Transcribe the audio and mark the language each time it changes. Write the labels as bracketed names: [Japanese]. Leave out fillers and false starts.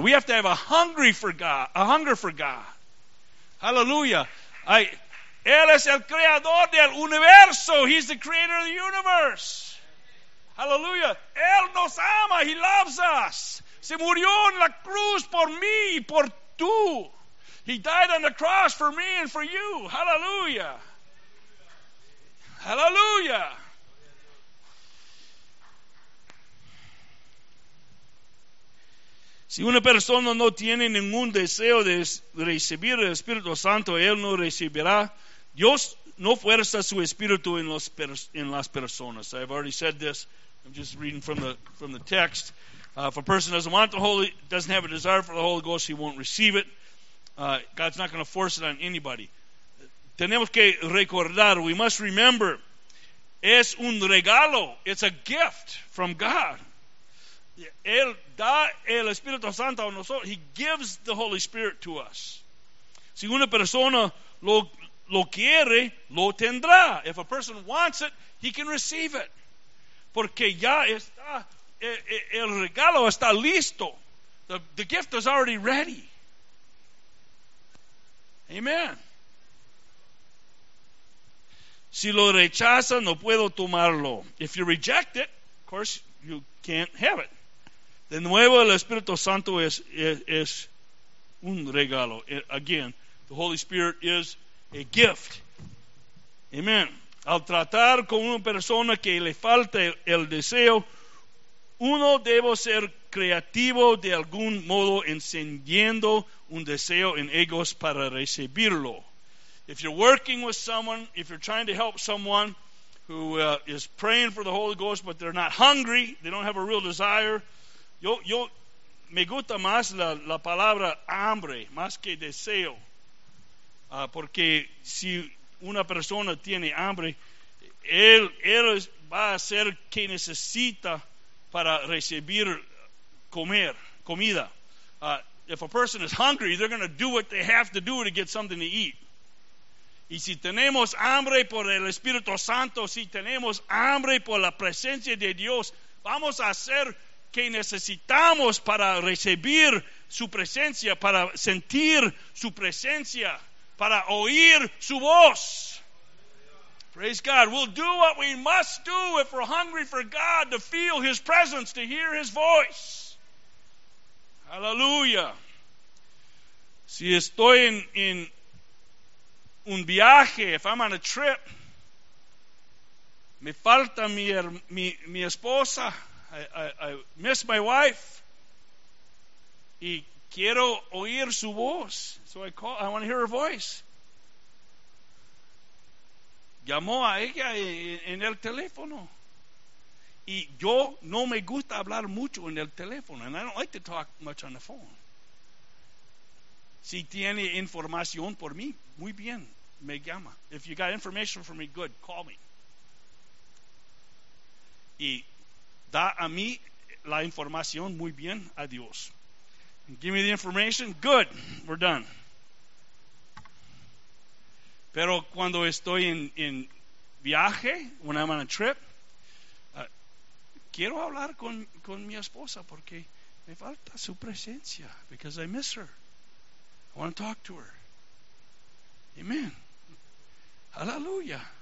[English] We have to have a hunger for God. Hallelujah. [Spanish] Él es el creador del universo. [English] He's the creator of the universe. Hallelujah. [Spanish] Él nos ama. [English] He loves us. [Spanish] Se murió en la cruz por mí y por tú. [English] He died on the cross for me and for you. Hallelujah. Hallelujah. [Spanish] Si una persona no tiene ningún deseo de recibir el Espíritu Santo, él no recibirá. Dios no fuerza su espíritu en las personas. [English] I've already said this. I'm just reading from the text. If a person doesn't want the Holy, doesn't have a desire for the Holy Ghost, he won't receive it. God's not going to force it on anybody. [Spanish] Tenemos que recordar, [English] we must remember, [Spanish] es un regalo. [English] It's a gift from God. [Spanish] Él da el Espíritu Santo a nosotros. [English] He gives the Holy Spirit to us. [Spanish] Si una persona lo quiere, lo tendrá. [English] If a person wants it, he can receive it. [Spanish] Porque ya está, el regalo está listo. [English] The gift is already ready. Amen. [Spanish] Si lo rechaza, no puedo tomarlo. [English] If you reject it, of course, you can't have it. [Spanish] De nuevo, el Espíritu Santo es un regalo. [English] Again, the Holy Spirit is a gift. Amen. [Spanish] Al tratar con una persona que le falta el deseo, uno debe ser creativo de algún modo encendiendo un deseo en ellos para recibirlo. [English] If you're working with someone, if you're trying to help someone who is praying for the Holy Ghost, but they're not hungry, they don't have a real desire, [Spanish] yo me gusta más la palabra hambre, más que deseo. Porque si una persona tiene hambre, él va a hacer que necesita para recibir comida. [English] If a person is hungry, they're going to do what they have to do to get something to eat. [Spanish] Y si tenemos hambre por el Espíritu Santo, si tenemos hambre por la presencia de Dios, vamos a hacer que necesitamos para recibir su presencia, para sentir su presencia, para oír su voz. [English] Praise God. We'll do what we must do if we're hungry for God to feel His presence, to hear His voice. [Spanish] Hallelujah. Si estoy en un viaje, [English] if I'm on a trip, [Spanish] me falta mi esposa, [English] I miss my wife, [Spanish] y quiero oír su voz. [English] So I want to hear her voice. [Spanish] Llamó a ella en el teléfono. Y yo no me gusta hablar mucho en el teléfono. [English] And I don't like to talk much on the phone. [Spanish] Si tiene información por mí, muy bien, me llama. [English] If you got information for me, good, call me. [Spanish] Y da a mí la información muy bien a Dios. [English] Give me the information, good, we're done. [Spanish] Pero cuando estoy en viaje, [English] when I'm on a trip, [Spanish] quiero hablar con mi esposa porque me falta su presencia. [English] Because I miss her. I want to talk to her. Amen. [Spanish] Aleluya.